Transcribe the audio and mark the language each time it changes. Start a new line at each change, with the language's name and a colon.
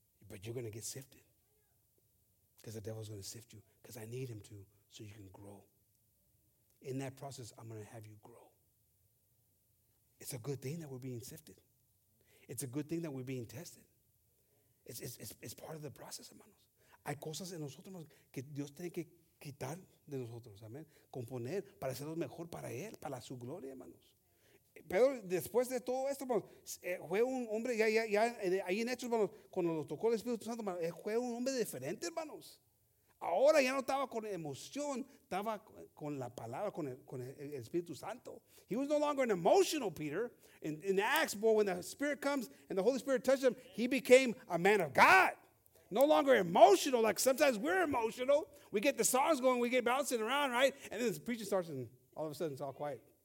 English: But you're going to get sifted because the devil's going to sift you because I need him to so you can grow. In that process, I'm going to have you grow. It's a good thing that we're being sifted. It's a good thing that we're being tested. It's part of the process, hermanos.
Spanish: Hay cosas en nosotros que Dios tiene que quitar de nosotros, amén. Componer para hacerlo mejor para él, para su gloria, hermanos. Pedro, después de todo esto, hermanos, fue un hombre, ya ahí en Hechos, hermanos, cuando lo tocó el Espíritu Santo, hermanos, fue un hombre diferente, hermanos. Ahora ya no estaba con emoción, estaba con la palabra, con el Espíritu Santo.
English: He was no longer an emotional Peter. In Acts, boy, when the Spirit comes and the Holy Spirit touched him, he became a man of God. No longer emotional, like sometimes we're emotional. We get the songs going, we get bouncing around, right? And then the preacher starts and all of a sudden it's all quiet.